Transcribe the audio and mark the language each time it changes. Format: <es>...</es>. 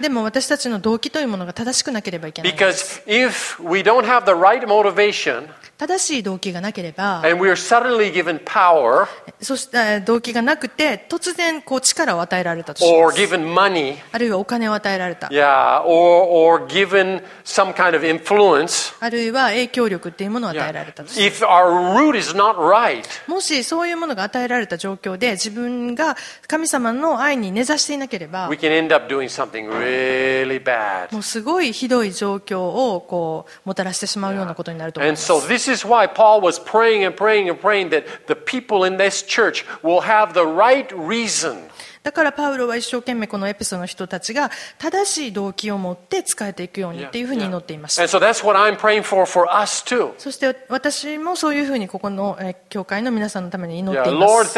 <ja>でも私たちの動機というものが正しくなければいけないんです。</ja> <en>Because if we don't have the right motivation,</en> <ja>正しい動機がなければ、</ja> <en>and we are suddenly given power,</en> <ja>そして動機がなくて突然こう力を与えられたとします</ja> <en>。Or given money,</en> <ja>あるいはお金を与えられた。</ja> <en>Yeah, or given some kind of influence,</en> <ja>あるいは影響力っていうものを与えられたとします。</ja> <en>Yeah. If our root is not right,</en> <ja>もしそういうものが与えられた状況で自分が神様の愛に根ざしていなければ、</ja> <en>we can end up doing something really bad.</en> <ja>もうすごいひどい状況をこうもたらしてしまうようなことになると思います。 Yeah.</ja> <en>And so this is why Paul was praying and praying and praying that the people in this church will have the right reason.</en> <ja>だからパウロは一生懸命このエペソの人たちが正しい動機を持って使えていくようにっていうふうに祈っていました。</ja> <en>And so that's what I'm praying for us too.</en> <ja>そして私もそういうふうにここの教会の皆さんのために祈っています。</ja>